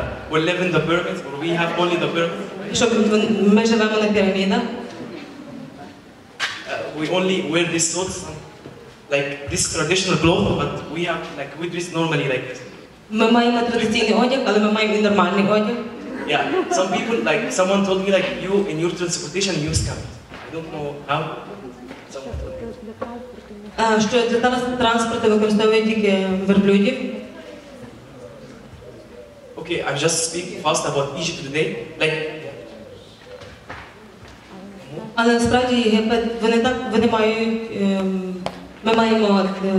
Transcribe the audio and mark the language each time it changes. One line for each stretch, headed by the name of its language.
English: We live in the pyramids, or we have only the pyramids.
Ukrainian: Що, ми живемо на пірамідах?
English: We only wear these suits, like this traditional clothes, but we have, like, we dress normally like this.
Ukrainian: Ми маємо традиційний одяг, але ми маємо і нормальний одяг.
English: Yeah, some people, like, someone told me, like, you, in your transportation, you use camels. I don't know how.
Ukrainian: Що, для того, що транспорт використовує тільки верблюдів?
English: Okay, I'm just speaking fast about Egypt today. Like...
Ukrainian: Але насправді Єгипет, вони мають... Ми маємо...